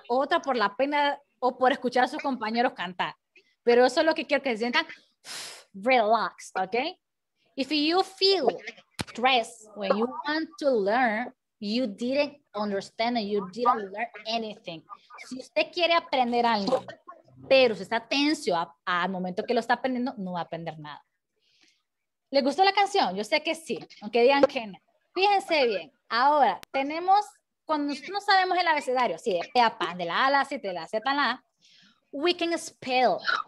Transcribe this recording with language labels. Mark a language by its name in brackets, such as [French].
[Spanish] ¿Otra por la pena o por escuchar a sus compañeros cantar? Pero eso es lo que quiero que se sientan. [English] Relax, ¿ok? If you feel stress when you want to learn, you didn't understand and you didn't learn anything. [Spanish] Si usted quiere aprender algo, pero se está tenso al momento que lo está aprendiendo, no va a aprender nada. ¿Le gustó la canción? Yo sé que sí, aunque digan que no. Fíjense bien, ahora tenemos, cuando no sabemos el abecedario, sí, de la A a la Z, de la Z a la A, [English] we can spell.